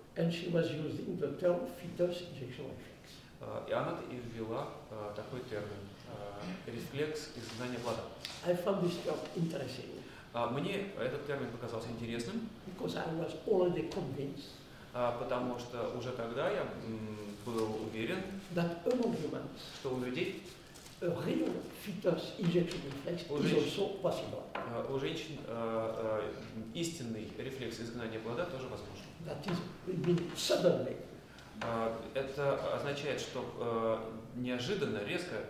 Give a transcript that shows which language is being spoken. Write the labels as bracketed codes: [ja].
[en] And she was using the term fetus ejection reflex. [ru] И она ввела такой термин рефлекс изгнания плода. [en] I found this term interesting. [ru] Мне этот термин показался интересным. [en] Because I was already convinced. [ru] Потому что уже тогда я был уверен, [en] that among humans, [ru] что у людей [en] a real fetus ejection reflex is also possible. [ru] У женщин истинный рефлекс изгнания плода тоже возможен. [en] That is, it means suddenly. [ru] Это означает, что неожиданно, резко,